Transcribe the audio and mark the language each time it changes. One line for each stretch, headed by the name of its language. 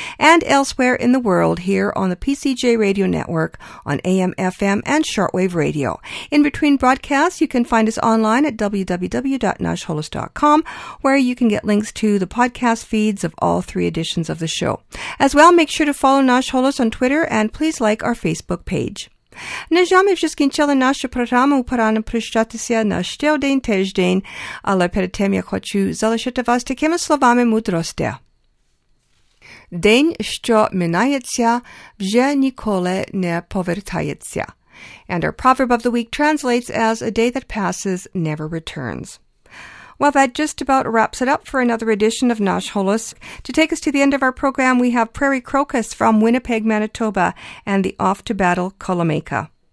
English: And elsewhere in the world here on the PCJ Radio Network on AM, FM, and shortwave radio. In between broadcasts, you can find us online at www.nashholos.com, where you can get links to the podcast feeds of all three editions of the show. As well, make sure to follow Nash Holos on Twitter and please like our Facebook page.
Ukrainian: Нежами вже скінчили нашу програму. Пора нам прощатися на ще один тиждень, але перед тим я хочу залишити вас такими словами мудрості. День, що минається, вже ніколи не повертається.
English: And our proverb of the week translates as "A day that passes never returns." Well, that just about wraps it up for another edition of Nash Holos. To take us to the end of our program, we have Prairie Crocus from Winnipeg, Manitoba, and the Off to Battle Kolomeka.